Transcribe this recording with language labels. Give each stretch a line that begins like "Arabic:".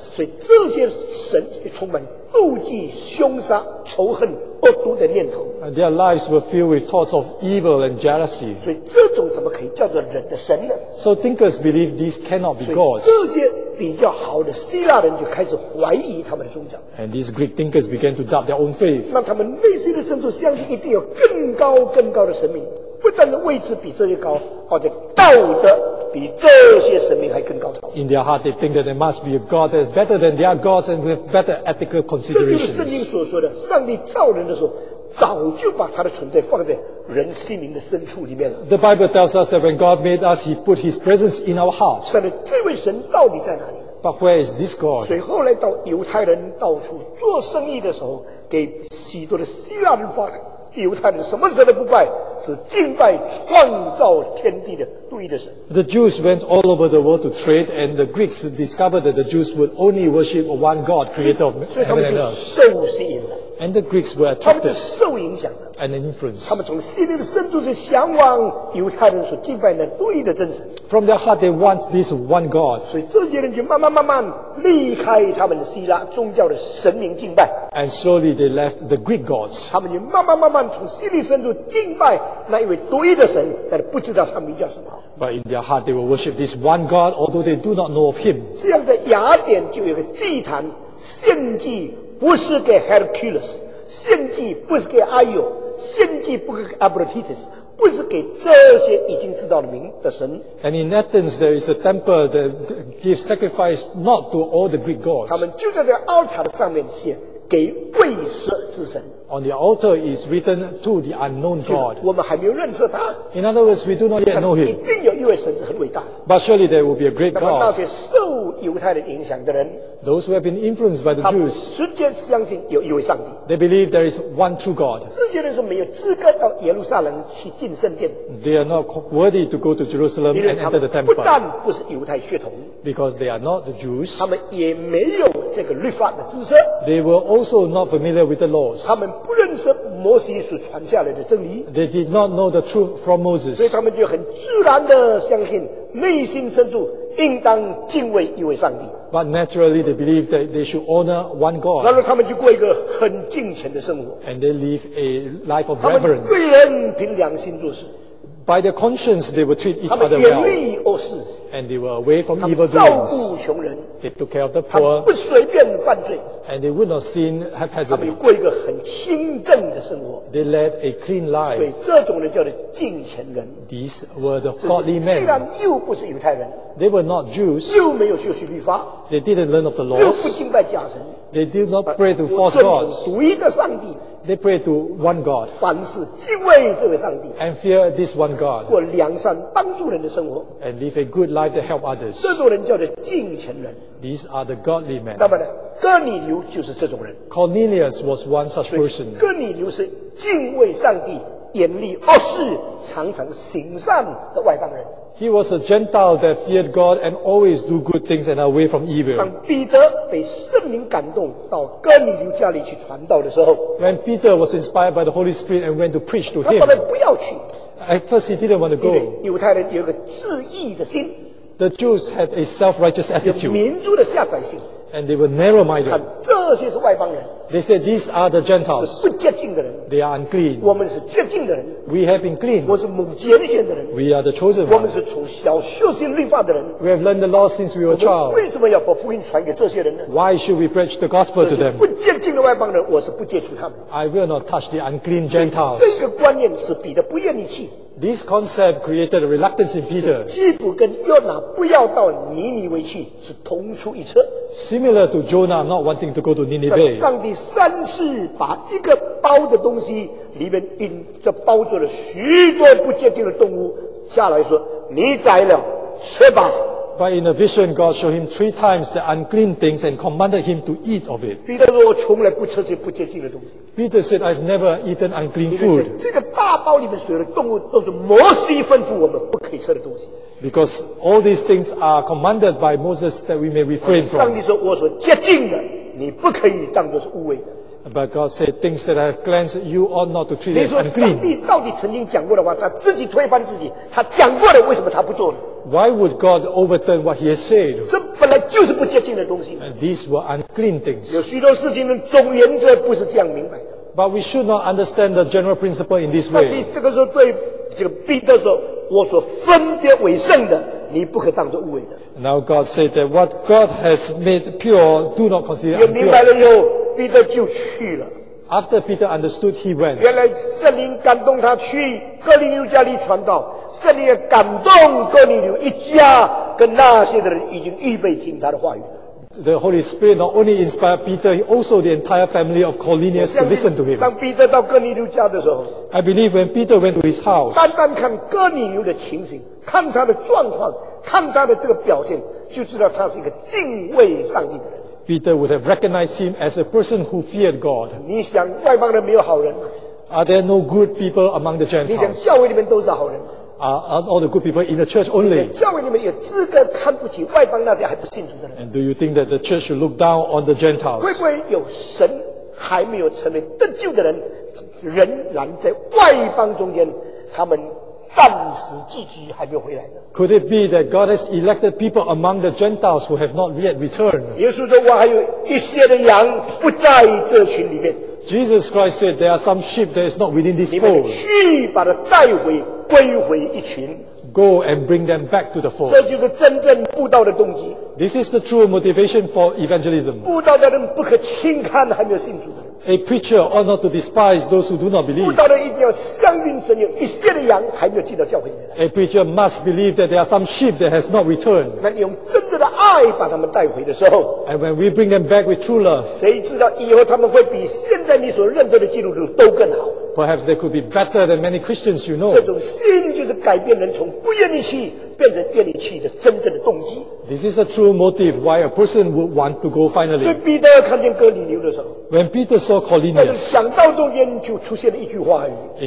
Chinese: 所以这些神充满妒忌、凶杀、仇恨、恶毒的念头。
English: And their lives were filled with thoughts of evil and jealousy.
Chinese: 所以这种怎么可以叫做人的神呢？
English: So thinkers believe these cannot be gods.
Chinese: 所以这些比较好的希腊人就开始怀疑他们的宗教。
English: And these Greek thinkers began to doubt their own faith.
Chinese: 让他们内心的深处相信一定有更高更高的神明，不但的位置比这些高，而且道德比这些神明还更高超。
English: In their heart, they think that there must be a god that's better than their gods and with better ethical considerations.
Chinese: 这就是圣经所说的，上帝造人的时候。早就把他的存在放在人心灵的深处里面了。
English: The Bible tells us that when God made us, He put His presence in our heart.
Chinese: 但是这位神到底在哪里？
English: But where is this God?
Chinese: 所以后来到犹太人到处做生意的时候，给许多的希腊人发的，犹太人什么神都不拜，只敬拜创造天地的独一的神。
English: The Jews went all over the world to trade, and the Greeks discovered that the Jews would only worship one God, Creator of heaven and earth.
Chinese: 所以他们就受吸引了。
English: And the Greeks were attracted.
Chinese: 他们就受影响了。
English: And influenced.
Chinese: 他们从心灵的深处就向往犹太人所敬拜的独一的真神。
English: From their heart, they want this one God.
Chinese: 所以这些人就慢慢慢慢离开他们的希腊宗教的神明敬拜。
English: And slowly they left the Greek gods.
Chinese: 他们就慢慢慢慢从心灵深处敬拜那一位独一的神，但是不知道他名叫什么。
English: But in their heart, they will worship this one God, although they do not know of Him.
Chinese: 这样在雅典就有个祭坛献祭。不是给 Hercules 献祭，不是给 Io 献祭，不是给 Aphrodite， 不是给这些已经知道的名的神。
English: And in Athens there is a temple that gives sacrifice not to all the Greek gods.
Chinese: 他们就在这个 altar 上面写给未知之神。
English: On the altar is written to the unknown God.
Chinese: 我们还没有认识他。
English: In other words, we do not yet know him.
Chinese: 一定有一位神是很伟大。
English: But surely there will be a great God.
Chinese: 那么那些受犹太人影响的人。
English: Those who have been influenced by the Jews,
Chinese: 他直接相信有一位上帝。
English: They believe there is one true God.
Chinese: 这些人是没有资格到耶路撒冷去进圣殿。
English: They are not worthy to go to Jerusalem and enter the temple.
Chinese: 不但不是犹太血统。
English: Because they are not the Jews.
Chinese: 他们也没有这个律法的知识。
English: They were also not familiar with the laws.
Chinese: 他们不认识摩西所传下来的真理。
English: They did not know the truth from Moses.
Chinese: 所以他们就很自然地相信，内心深处应当敬畏一位上帝。
English: But naturally, they believe that they should honor one God.
Chinese: 然后他们就过一个很敬虔的生活。
English: And they live a life of reverence.
Chinese: 他们对人凭良心做事。
English: By their conscience, they will treat each other well.
Chinese: 他们远离恶事。
English: And they were away from evil doings.
Chinese: 照顾穷人。
English: They took care of the poor.
Chinese: 他不随便犯罪。
English: And they would not sin haphazardly.
Chinese: 他们过一个很清正的生活。
English: They led a clean life.
Chinese: 所以这种人叫做敬虔人。
English: These were the godly men.
Chinese: 虽然又不是犹太人。
English: They were not Jews.
Chinese: 又没有学习律法。
English: They didn't learn of the laws.
Chinese: 又不敬拜假神。
English: They did not pray to false gods.
Chinese: 我尊重独一的上帝。
English: They pray to one God.
Chinese: 凡事敬畏这位上帝。
English: And fear this one God.
Chinese: 过良善帮助人的生活。
English: And live a good life to help others.
Chinese: 这种人叫做敬虔人。
English: These are the godly men.
Chinese: 那么呢，哥尼流就是这种人。
English: Cornelius was one such person.
Chinese: 哥尼流是敬畏上帝、严厉恶事、常常行善的外邦人。
English: He was a Gentile that feared God and always do good things and away from evil.
Chinese: 当彼得被圣灵感动到哥尼流家里去传道的时候
English: ，When Peter was inspired by the Holy Spirit and went to preach to him,
Chinese: 他本来不要去。
English: At first, he didn't want to go.
Chinese: 因为犹太人有个自义的心。
English: The Jews had a self-righteous attitude.
Chinese: 民族的狭窄心。
English: And they were narrow-minded.
Chinese: 看这些是外邦人。
English: They said these are the Gentiles.
Chinese: 是不洁净的人。
English: They are unclean.
Chinese: 我们是洁净的人。
English: We have been clean.
Chinese: 我是蒙拣选的人。
English: We are the chosen one.
Chinese: 我们是从小学习律法的人。
English: We have learned the law since we were child.
Chinese: 我们为什么要把福音传给这些人呢？
English: Why should we preach the gospel to them?
Chinese: 不洁净的外邦人，我是不接触他们。
English: I will not touch the unclean Gentiles.
Chinese: 这个观念是彼得不愿意去。
English: This concept created a reluctance in Peter.
Chinese: 基弗跟约拿不要到尼尼微去，是同出一辙。
English: Similar to Jonah not wanting to go to Nineveh.
Chinese: 上帝三次把一个包的东西里面印着包着了许多不洁净的动物下来说：“你宰了，吃吧。”
English: But in a vision, God showed him three times the unclean things and commanded him to eat of it.
Chinese: Peter 说：“我从来不吃这不洁净的东西。”
English: Peter said, "I've never eaten unclean food."
Chinese: 这个大包里面所有的动物都是摩西吩咐我们不可以吃的东西。
English: Because all these things are commanded by Moses that we may refrain from.
Chinese: 上帝说：“我所洁净的，你不可以当作是污秽的。”
English: But God said, "Things that I have cleansed, you ought not to treat as unclean."
Chinese: 你说上帝到底曾经讲过的话，他自己推翻自己，他讲过的，为什么他不做呢？
English: Why would God overturn what He has said?
Chinese: 这本来就是不洁净的东西。
English: And these were unclean things.
Chinese: 有许多事情的总原则不是这样明白的。
English: But we should not understand the general principle in this way.
Chinese: 上帝这个时候对这个彼得说：“我所分别为圣的，你不可当作污秽的。”
English: Now God said that what God has made pure, do not consider unclean.
Chinese: 也明白了以后，彼得就去了。
English: After Peter understood, he went.
Chinese: 原来圣灵感动他去哥尼流家里传道，圣灵也感动哥尼流一家跟那些的人已经预备听他的话语。
English: The Holy Spirit not only inspired Peter, also the entire family of Cornelius to listen to him.
Chinese: 当彼得到哥尼流家的时候
English: ，I believe when Peter went to his house.
Chinese: 单单看哥尼流的情形，看他的状况，看他的这个表现，就知道他是一个敬畏上帝的人。
English: Peter would have recognized him as a person who feared God.
Chinese: 你想外邦人没有好人吗？
English: Are there no good people among the Gentiles?
Chinese: 你想教会里面都是好人吗？
English: Are all the good people in the church only?
Chinese: 你想教会里面有资格看不起外邦那些还不信主的人？
English: And do you think that the church should look down on the Gentiles?
Chinese: 会不会有神还没有成为得救的人，仍然在外邦中间，他们暂时寄居还没有回来呢？
English: Could it be that God has elected people among the Gentiles who have not yet returned?
Chinese: 耶稣说：“我还有一些的羊不在这群里面。”
English: Jesus Christ said, "There are some sheep that is not within this fold."
Chinese: 你们去把它带回，归回一群。
English: Go and bring them back to the fold.
Chinese: 这就是真正布道的动机。
English: This is the true motivation for evangelism.
Chinese: 布道的人不可轻看还没有信主的。
English: A preacher ought not to despise those who do not believe.
Chinese: 布道人一定要相信神有一些的羊还没有进到教会里面来。
English: A preacher must believe that there are some sheep that has not returned.
Chinese: 那你用真正的爱把他们带回的时候
English: ，And when we bring them back with true love,
Chinese: 谁知道以后他们会比现在你所认识的基督徒都更好
English: ？Perhaps they could be better than many Christians you know.
Chinese: 这种心就是改变人从不愿意去变成愿意去的真正的动机。
English: This is a true motive why a person would want to go finally.
Chinese: 所以彼得看见哥尼流的时候
English: ，When Peter saw Cornelius,
Chinese: 在讲道中间就出现了一句话语。